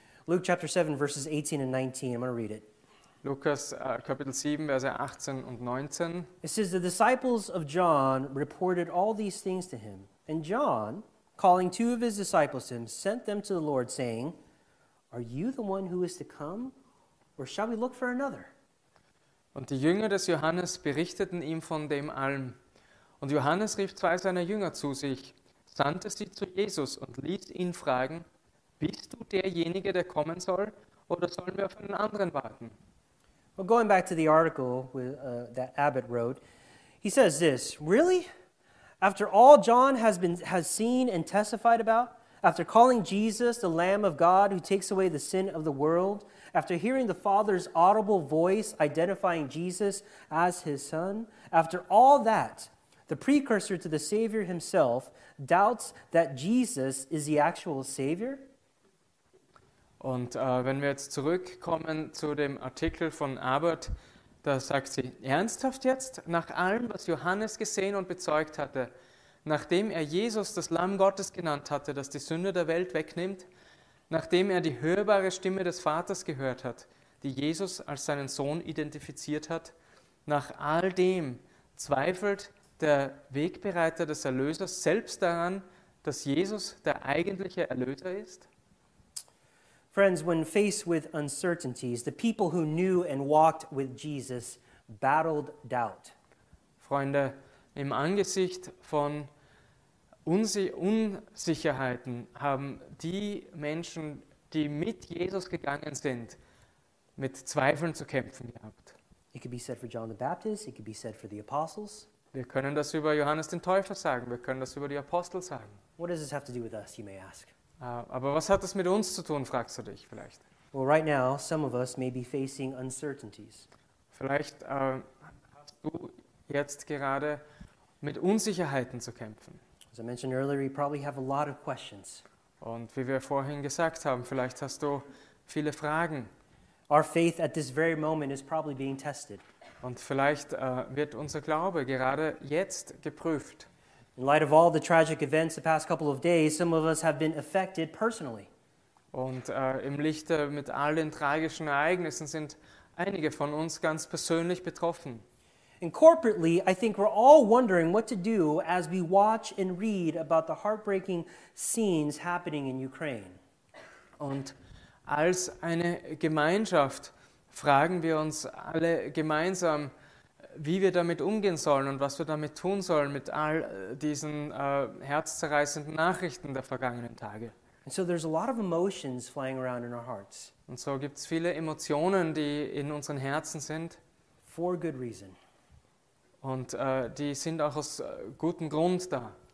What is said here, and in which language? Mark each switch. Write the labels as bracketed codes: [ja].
[en] Luke chapter 7, verses 18 and 19, I'm going to read it. [de] Lukas Kapitel 7, Verse 18 und 19. [en] It says, the disciples of John reported all these things to him, and John, calling two of his disciples to him, sent them to the Lord, saying, are you the one who is to come, or shall we look for another? [de] Und die Jünger des Johannes berichteten ihm von dem allem. Und Johannes rief zwei seiner Jünger zu sich, sandte sie zu Jesus und ließ ihn fragen, bist du derjenige, der kommen soll, oder sollen wir auf einen anderen warten? [en] Well, going back to the article that Abbott wrote, he says this, really? After all John has seen and testified about, after calling Jesus the Lamb of God who takes away the sin of the world, after hearing the Father's audible voice identifying Jesus as his son, after all that, the precursor to the Savior himself doubts that Jesus is the actual Savior? [de] Und wenn wir jetzt zurückkommen zu dem Artikel von Abbott, da sagt sie, ernsthaft jetzt, nach allem, was Johannes gesehen und bezeugt hatte, nachdem er Jesus das Lamm Gottes genannt hatte, das die Sünde der Welt wegnimmt, nachdem er die hörbare Stimme des Vaters gehört hat, die Jesus als seinen Sohn identifiziert hat, nach all dem zweifelt der Wegbereiter des Erlösers selbst daran, dass Jesus der eigentliche Erlöser ist? [en] Friends, when faced with uncertainties, the people who knew and walked with Jesus battled doubt. [de] Freunde, im Angesicht von Unsicherheiten haben die Menschen, die mit Jesus gegangen sind, mit Zweifeln zu kämpfen gehabt. [en] It could be said for John the Baptist, it could be said for the apostles. [de] Wir können das über Johannes den Täufer sagen, wir können das über die Apostel sagen. [en] What does this have to do with us, you may ask? [de] Aber was hat das mit uns zu tun, fragst du dich vielleicht. [en] Well, right now, some of us may be facing uncertainties. [de] Vielleicht hast du jetzt gerade mit Unsicherheiten zu kämpfen. [en] As I mentioned earlier, you probably have a lot of questions. [de] Und wie wir vorhin gesagt haben, vielleicht hast du viele Fragen. [en] Our faith at this very moment is probably being tested. [de] Und vielleicht wird unser Glaube gerade jetzt geprüft. [en] In light of all the tragic events the past couple of days, some of us have been affected personally. [de] Und im Licht mit all den tragischen Ereignissen sind einige von uns ganz persönlich betroffen. [en] And corporately, I think we're all wondering what to do as we watch and read about the heartbreaking scenes happening in Ukraine. [de] Und als eine Gemeinschaft fragen wir uns alle gemeinsam, wie wir damit umgehen sollen und was wir damit tun sollen mit all diesen herzzerreißenden Nachrichten der vergangenen Tage. [en] And so there's a lot of emotions flying around in our hearts. [de] Und so gibt's viele Emotionen, die in unseren Herzen sind. [en] For good reason. [de] Und die sind auch aus gutem Grund da.